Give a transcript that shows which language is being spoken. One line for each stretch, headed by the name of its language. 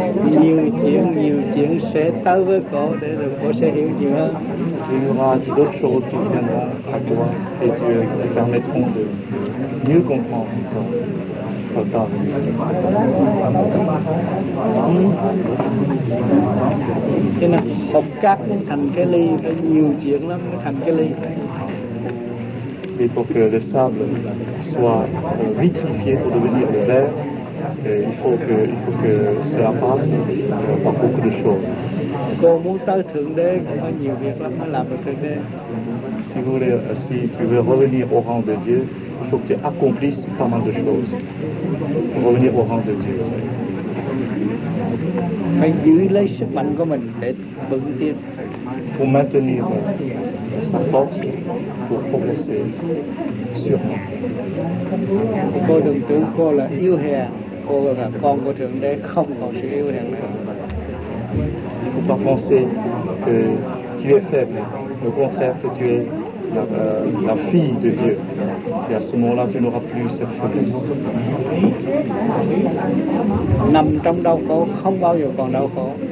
Vietnamese: Nhiều chuyện sẽ tới với cô để rồi cô sẽ hiểu nhiều hơn.
French: Il y aura d'autres choses qui viendront à toi et Dieu qui te permettront de mieux comprendre encore.
Vietnamese: Cho nên học cát nó thành cái ly, phải nhiều chuyện lắm mới thành cái ly.
French: Et pour que le sable soit vitrifié pour devenir le verre, il faut que cela passe par beaucoup de choses.
Vietnamese: Cô muốn tới Thượng Đế cũng có nhiều việc lắm mới làm được Thượng Đế.
French: Si vous voulez, si tu veux revenir au rang de Dieu, il faut que tu accomplisses pas mal de choses. Pour revenir au rang de Dieu.
Vietnamese: Phải giữ lấy sức mạnh của mình để vững tin.
French: Pour maintenir sa force, pour progresser sûrement.
Vietnamese: Cô đừng tưởng cô là yếu hèn, cô là con của Thượng Đế không còn sự yếu hèn nữa.
French: Il ne faut pas penser que tu es faible, au contraire que tu es la fille de Dieu. Et à ce moment-là, tu n'auras plus cette faiblesse.
Vietnamese: Nằm trong đau khổ, không bao giờ còn đau khổ.